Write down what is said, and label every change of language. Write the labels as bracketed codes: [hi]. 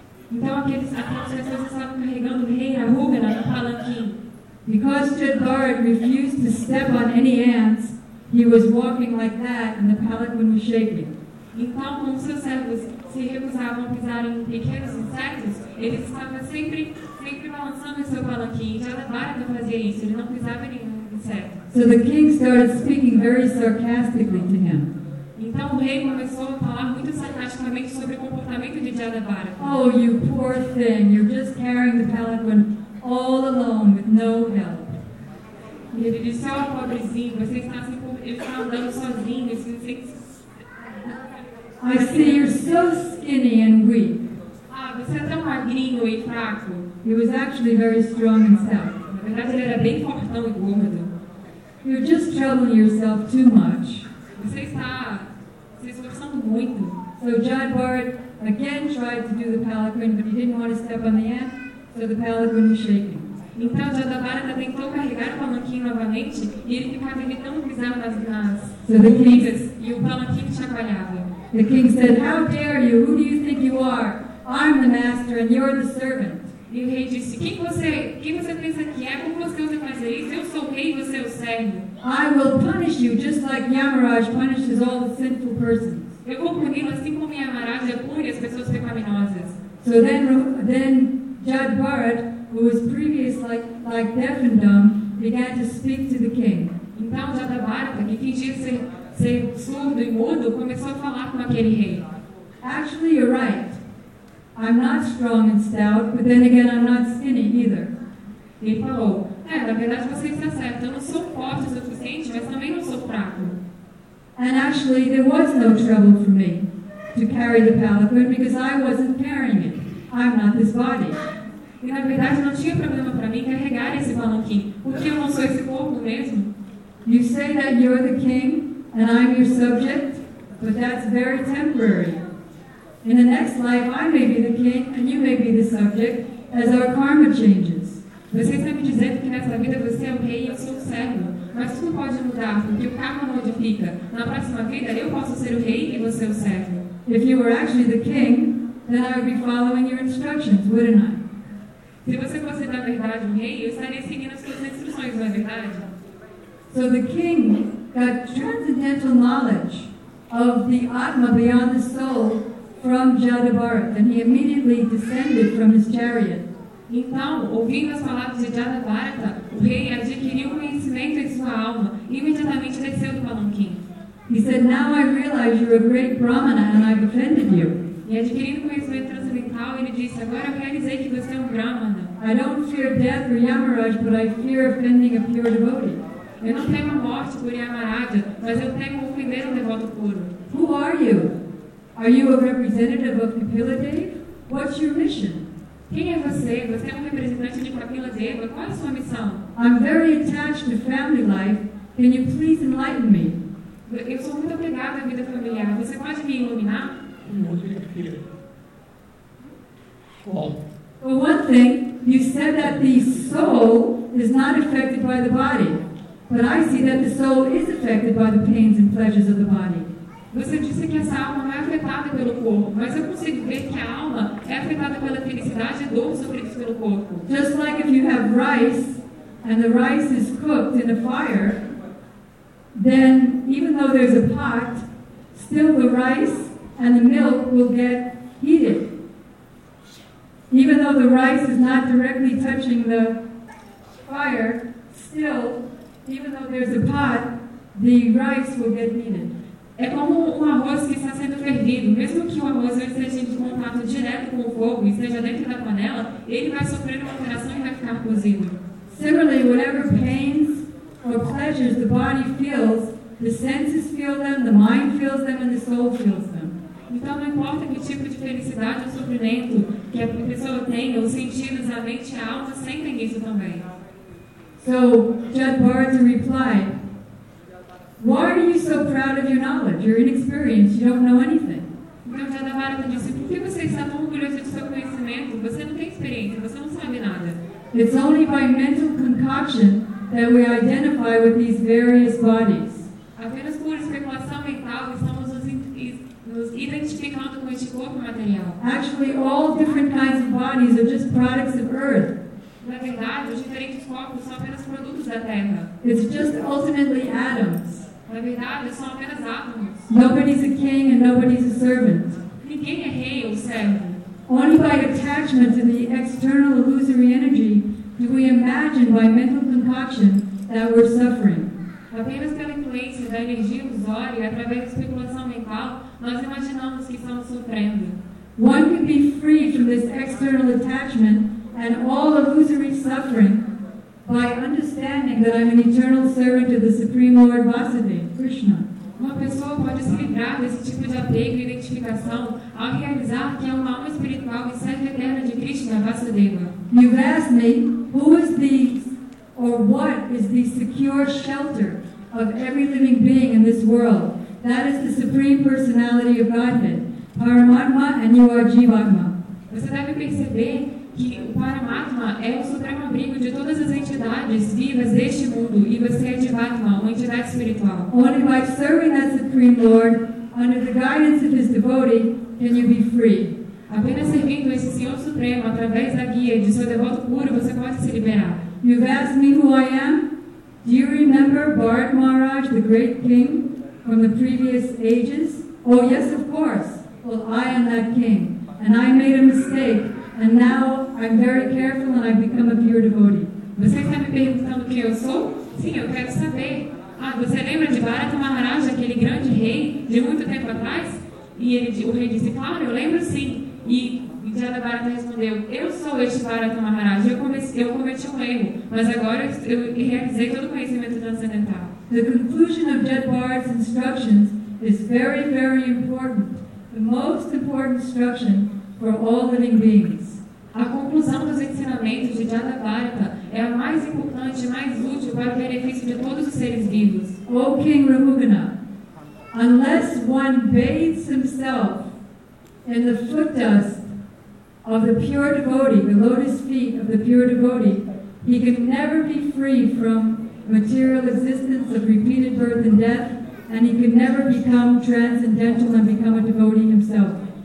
[pt] Então aquelas pessoas estavam carregando o rei Rahugana no palanquim. [en] Because Jadavara refused to step on any ants, he was walking like that and the palanquin was shaking. [pt] Então, como seus servos se recusavam a pisar em pequenos insetos, ele estava sempre balançando o seu palanquim. Jadavara não fazia isso, ele não pisava nenhum inseto. [en] So the king started speaking very sarcastically to him. [pt] Então o rei começou a falar muito sarcasticamente sobre o comportamento de Jadavara. [en] Oh, you poor thing, you're just carrying the palanquin all alone with no help. [pt] E ele disse, oh, pobrezinho, você está andando sozinho, você [en] I see you're so skinny and weak. [pt] Ah, você é tão magrinho e fraco. [en] He was actually very strong himself. [pt] Na verdade, ele era bem fortão e gordo. [en] You're just troubling yourself too much. [pt] Você está esforçando muito. [en] So Jadavara again tried to do the palanquin, but he didn't want to step on the ant, so the palanquin was shaking. [pt] Então Jadavara tentou carregar o palanquim novamente e ele ficava evitando pisar nas [en] so the king, [pt] e o palanquim chacoalhava. [en] The king said, how dare you? Who do you think you are? I'm the master and you're the servant. [pt] E o rei disse, quem você pensa que é? Como você usa fazer isso? Eu sou o rei e você é o servo. [en] I will punish you just like Yamaraj punishes all the sinful persons. [pt] Eu vou puni-lo assim como Yamaraj pune as pessoas pecaminosas. [en] So then Jadavara, who was previously like deaf and dumb, began to speak to the king. [pt] Então Jadavara, que fingia ser surdo e mudo, começou a falar com aquele rei. [en] Actually, you're right. I'm not strong and stout, but then again, I'm not skinny either. [pt] Ele falou, na verdade você está certo, eu não sou forte o suficiente, mas também não sou fraco. [en] And actually, there was no trouble for me to carry the palanquin because I wasn't carrying it. I'm not this body. [pt] E na verdade não tinha problema para mim carregar esse palanquim, porque eu não sou esse corpo mesmo. [en] You say that you're the king and I'm your subject, but that's very temporary. In the next life, I may be the king and you may be the subject as our karma changes. [pt] Você está me dizendo que nessa vida você é o rei e eu sou o servo. Mas tudo pode mudar porque o karma modifica. Na próxima vida, eu posso ser o rei e você é o servo. [en] If you were actually the king, then I would be following your instructions, wouldn't I? [pt] Se você fosse na verdade um rei, eu estaria seguindo as suas instruções, não é verdade? [en] So the king got transcendental knowledge of the Atma beyond the soul from Jadavara, and he immediately descended from his chariot. [pt] Então, ouvindo as palavras de Jadavara, o rei adquiriu conhecimento de sua alma e imediatamente desceu do palanquim. [en] He said, now I realize you're a great Brahmana and I've offended you. [pt] E adquirindo conhecimento transcendental, ele disse, agora eu realizei que você é um Brahmana. [en] I don't fear death or Yamaraj, but I fear offending a pure devotee. [pt] Eu não temo a morte por Yamaraja, mas eu temo ofender um devoto puro. [en] Who are you? Are you a representative of Kapila Dev? What's your mission? [pt] Quem é você? Você é um representante de Kapila Dev? Qual é a sua missão? [en] I'm very attached to family life. Can you please enlighten me? [pt] Eu sou muito apegado à vida familiar. Você pode me iluminar? [en] For one thing, you said that the soul is not affected by the body. But I see that the soul is affected by the pains and pleasures of the body. [pt] Você disse que essa alma não é afetada pelo corpo, mas eu consigo ver que a alma é afetada pela felicidade e dor sofridas pelo corpo. [en] Just like if you have rice and the rice is cooked in a fire, then even though there's a pot, still the rice and the milk will get heated. Even though the rice is not directly touching the fire, still, even though there's a pot, the rice will get needed. [pt] É como um arroz que está sendo fervido. Mesmo que o arroz esteja em contato direto com o fogo, esteja dentro da panela, ele vai sofrer uma alteração e vai ficar cozido. [en] Similarly, whatever pains or pleasures the body feels, the senses feel them, the mind feels them, and the soul feels them. [pt] Então, não importa que tipo de felicidade ou sofrimento que a pessoa tenha, os sentidos, a mente e a alma sentem isso também. [en] So, Jed Bharati replied, why are you so proud of your knowledge? You're inexperienced, you don't know anything. [pt] Então, Jed Bharati disse, por que você está tão orgulhoso do seu conhecimento? Você não tem experiência, você não sabe nada. [en] It's only by mental concoction that we identify with these various bodies. [pt] Apenas por especulação mental estamos nos identificando com este corpo material. [en] Actually, all different kinds of bodies are just products of earth. [pt] Na verdade, os diferentes corpos são apenas produtos da Terra. [en] It's just ultimately atoms. [pt] Na verdade, são apenas átomos. [en] Nobody's a king and nobody's a servant. [pt] Ninguém é rei ou servo. [en] Only by attachment to the external illusory energy do we imagine by mental concoction that we're suffering. [pt] Apenas pela influência da energia ilusória, através da especulação mental, nós imaginamos que estamos sofrendo. [en] One can be free from this external attachment and all illusory suffering by understanding that I'm an eternal servant of the Supreme Lord Vasudeva, Krishna. [pt] Uma pessoa pode se livrar desse tipo de apego e identificação ao realizar que é uma alma espiritual e serve eterna de Krishna, Vasudeva. [en] You've asked me, who is the, or what is the secure shelter of every living being in this world? That is the Supreme Personality of Godhead, Paramatma, and you are Jivatma. [pt] Você deve perceber que o Paramatma é o supremo abrigo de todas as entidades vivas deste mundo, e você é Jivatma, uma entidade espiritual. [en] Only by serving that Supreme Lord, under the guidance of his devotee, can you be free. [pt] Apenas servindo esse Senhor Supremo, através da guia de seu devoto puro, você pode se liberar. [en] You've asked me who I am? Do you remember Bharat Maharaj, the great king, from the previous ages? Oh, yes, of course. Well, I am that king, and I made a mistake, and now I'm very careful and I've become a pure devotee. [pt] Você está me perguntando quem eu sou? Sim, eu quero saber. Ah, você lembra de Bharat Maharaj, aquele grande rei, de muito tempo atrás? E ele, o rei disse, claro, eu lembro sim. E Jada Bharata respondeu, eu sou este Bharata Maharaj, eu cometi um erro, mas agora eu realizei todo o conhecimento transcendental. [en] The conclusion of Jada Bharata's instructions is very, very important. The most important instruction for all living beings. [pt] A conclusão dos ensinamentos de Jada Bharata é a mais importante, mais útil para o benefício de todos os seres vivos. [en] O King Ramugana, unless one bathes himself in the foot dust of the pure devotee, the lotus feet of the pure devotee, he can never be free from material existence of repeated birth and death, and he can never become transcendental and become a devotee himself.